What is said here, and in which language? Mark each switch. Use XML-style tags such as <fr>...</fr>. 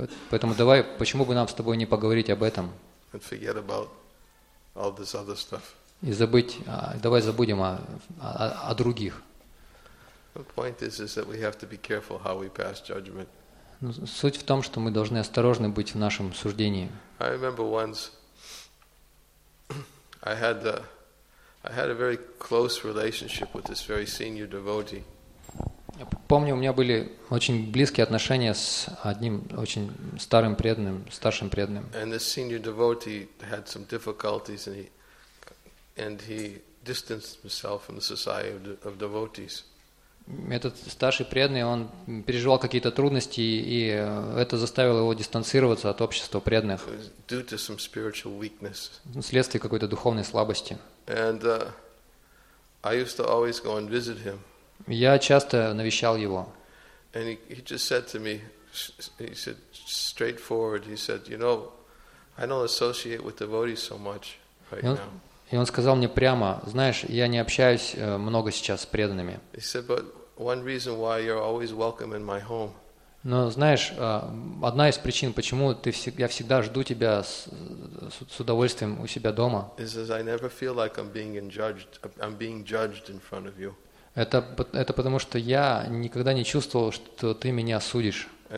<ru>Поэтому давай, почему бы нам с тобой не поговорить об этом?</ru> <en>All this other stuff.</en> <ru>И забыть, давай забудем о других.</ru> <en>The point is that we have to be careful how we pass judgment.</en> <ru>Ну, суть в том, что мы должны осторожны быть в нашем суждении.</ru> <en>I remember once I had a very close relationship with this very senior devotee.</en> <ru>Я помню, у меня были очень близкие отношения с одним очень старым преданным, старшим преданным.</ru> <en>And this senior devotee had some difficulties and he distanced himself from the society of devotees.</en> <ru>Этот старший преданный, он переживал какие-то трудности, и это заставило его дистанцироваться от общества преданных.</ru> <en>Due to some spiritual weakness.</en> <ru>Вследствие какой-то духовной слабости.</ru> <en>And I used to always go and visit him.</en> <ru>Я часто навещал его.</ru> <en>And he just said to me, he said straightforward, he said, you know, I don't associate with devotees so much right now.</en> <ru>И он сказал мне прямо, знаешь, я не общаюсь много сейчас с преданными.</ru> <en>He said, but one reason why you're always welcome in my home.</en> <ru>Но знаешь, одна из причин, почему я всегда жду тебя с удовольствием у себя дома.</ru> <en>Is that I never feel like I'm being judged in front of you.</en> <ru>Это потому, что я никогда не чувствовал, что ты меня судишь.</ru>